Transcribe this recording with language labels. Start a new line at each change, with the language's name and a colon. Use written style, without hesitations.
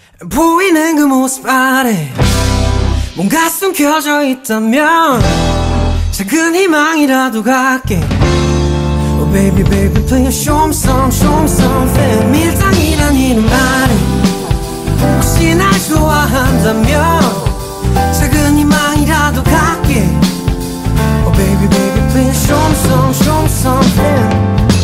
Korean: 보이는 그 모습 아래 뭔가 숨겨져 있다면 작은 희망이라도 갈게.
English: Oh baby baby please show me some, show me something.
Korean: 밀당이란 이름 아래 혹시 날 좋아한다면 작은 희망이라도 갈게.
English: Oh baby baby please show me some, show me something.